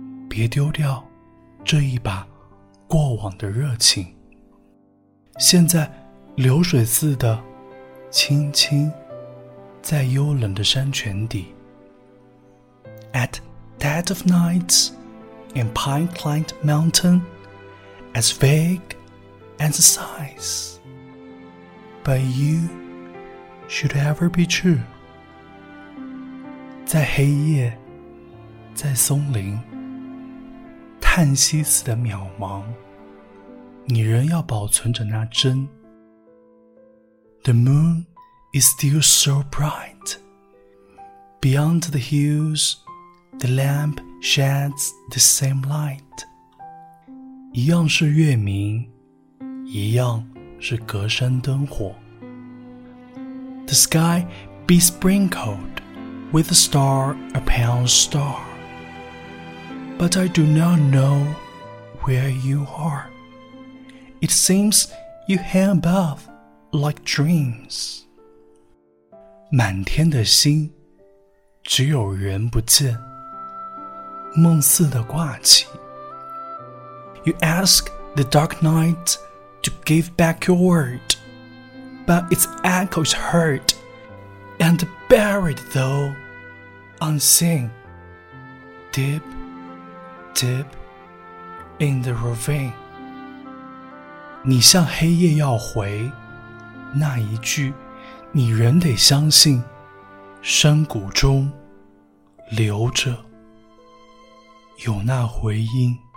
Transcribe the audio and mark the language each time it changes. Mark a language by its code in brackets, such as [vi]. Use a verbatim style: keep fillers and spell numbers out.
[zh] 别丢掉这一把过往的热情，现在流水似的轻轻在幽冷的山泉底。 [en] At dead of night in pine-clad mountain, as vague as a sighs, but you should ever be true. [zh] 在黑夜，在松林，叹息似的渺茫，你仍要保存着那真。 [en] The moon is still so bright. Beyond the hills, the lamp sheds the same light. [zh] 一样是月明，一样是隔山灯火。 [en] The sky besprinkled with a star upon star, but I do not know where you are. It seems you hang above like dreams. [zh] 满天的星，只有人不见，梦似的挂起。 [en] You ask the dark night to give back your word, but its echo is heard and buried, though unseen, deep, deep in the ravine. [zh] 你向黑夜要回那一句，你仍得相信，山谷中留着有那回音。